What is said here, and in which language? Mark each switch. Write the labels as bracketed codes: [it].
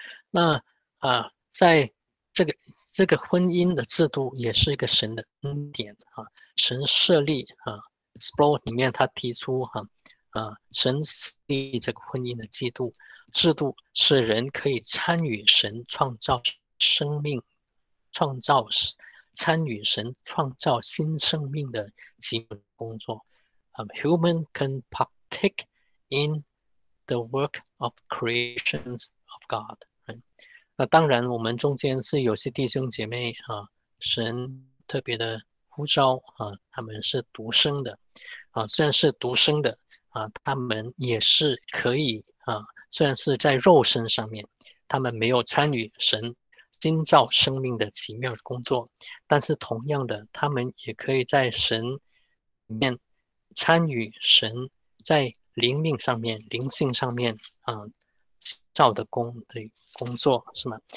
[zh] 那在这个婚姻的制度也是一个神的恩典啊，神设立Explore 里面他提出神设立这个婚姻的制度是人可以参与神创造生命、创造参与神创造新生命的基本工作。 [en] Human can partake in the work of creations of God。 [zh] 那当然，我们中间是有些弟兄姐妹神特别的呼召他们是独生的虽然是独生的他们也是可以虽然是在肉身上面，他们没有参与神新造生命的奇妙工作，但是同样的，他们也可以在神里面参与神在灵命上面、灵性上面造的工作，是吗？